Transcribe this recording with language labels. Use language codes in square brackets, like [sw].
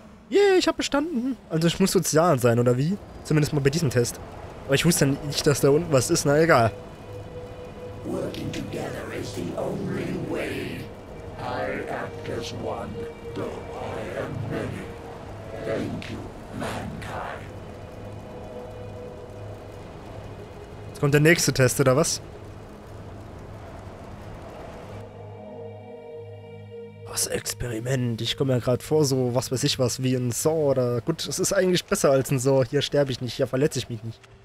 [de] Yay, ich hab bestanden. Also ich muss sozial sein, oder wie? Zumindest mal bei diesem Test. Aber ich wusste nicht, dass da unten was ist. Na egal. [en] Working together is the only way. I act as one, though I am many. [de] Jetzt kommt der nächste Test, oder was? Das Experiment. Element. Ich komme mir gerade vor, so was weiß ich was, wie ein Saw oder... Gut, es ist eigentlich besser als ein Saw. Hier sterbe ich nicht, hier verletze ich mich nicht.